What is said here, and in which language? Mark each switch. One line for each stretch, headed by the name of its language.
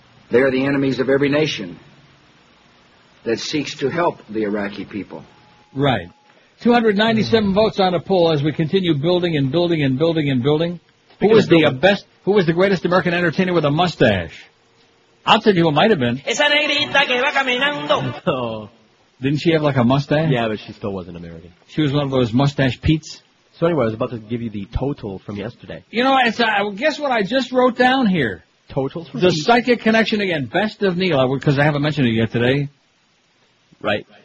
English: They are the enemies of every nation. that seeks to help the Iraqi people. Right. 297 votes on a poll as we continue building and building and building and building. Who was the best? Who was the greatest American entertainer with a mustache? I'll tell you who it might have been.
Spanish: Esa negrita que va caminando.
English: Didn't she have like a mustache? Yeah, but she still wasn't American. She was one of those mustache Pete's. So anyway, I was about to give you the total from yesterday. You know, it's guess what I just wrote down here. Totals. The psychic connection again. Best of Neil, because I haven't mentioned it yet today. Right.